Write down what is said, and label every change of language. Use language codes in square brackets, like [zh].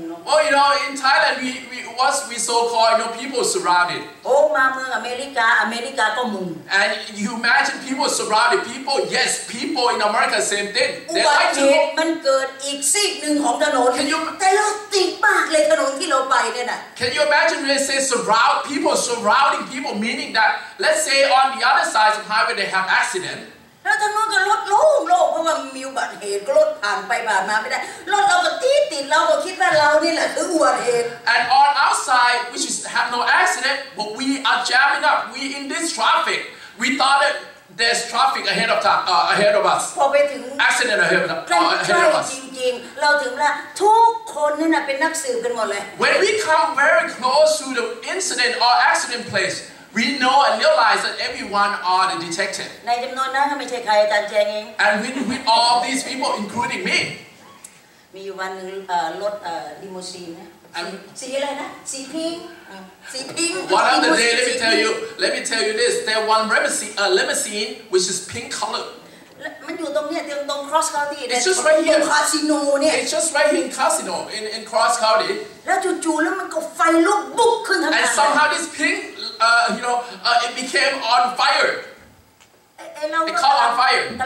[en] Oh, you know, in Thailand, we so called, you know, people surrounded. [th] Oh, มาเมือง America, America ก็มุง [en] And you imagine people surrounded, people in America, same thing. They like to. [th] มันเกิดอีกซีกหนึ่งของถนนแต่รถติดมากเลยถนนที่เราไปเนี่ยนะ [en] Can you imagine when they say surround people, surrounding people, meaning that, let's say on the other side of the highway they have accident. [th] แล้วทางนู้นก็รถโล่งเพราะว่ามีอุบัติเหตุก็รถผ่านไปผ่านมาไม่ได้รถเราก็ติดเราก็คิดว่าเรานี่แหละคืออุบัติเหตุ [en] and on outside which is have no accident but we are jamming up we in this traffic we thought that there's traffic ahead of time ahead of us [th] พอไปถึง [en] accident ahead of us [th] จริงๆเราถึงแล้วทุกคนนั่นน่ะเป็นนักสืบกันหมดเลย [en] when we come very close to the incident or accident placeWe know and realize that everyone are the detective. [th] ในจำนวนนั้นก็ไม่ใช่ใครอาจารย์แจงเอง [en] And with all these people, including me. [th] มีวันนึงรถลิมูซีนนะสีอะไรนะสีพิงค์สีพิง [en] ค์ One of the day, let me tell you this. There one limousine which is pink color. [th] มันอยู่ตรงเนี้ยตรง cross county เนี่ย [en] It's just right here. [th] ตรงคาสิโนเนี่ย [en] It's just right here in casino in cross county. [th] แล้วจู่ๆแล้วมันก็ไฟลุกบุกขึ้นทั้ง คัน [en] And somehow this pinkit became on fire. It caught on fire.